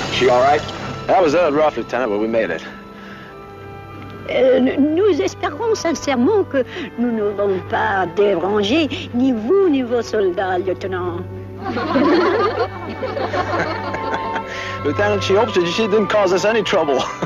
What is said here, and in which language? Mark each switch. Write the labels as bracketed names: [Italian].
[English] It was a little rough, Lieutenant, but we made it. [French] Nous espérons sincèrement que nous ne vont pas déranger ni vous ni vos soldats, Lieutenant. [English] Lieutenant, she hopes that she didn't cause us any trouble.